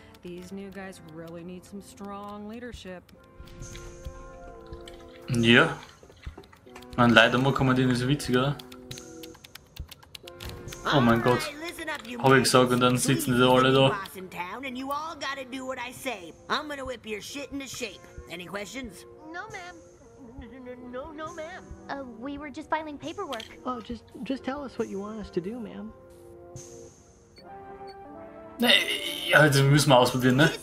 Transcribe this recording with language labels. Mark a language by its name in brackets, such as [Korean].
[English] These new guys really need some strong leadership. [German] Ja. Man, leider mal kann man den nicht so witzig, oder? Oh mein Gott. Hab ich gesagt, und dann sitzen die alle da. [English] And you all gotta do what I say. I'm gonna whip your shit into shape. Any questions? No, ma'am. No, ma'am. We were just filing paperwork. Oh, just tell us what you want us to do, ma'am. [German] Nee, also wir müssen mal ausprobieren, ne?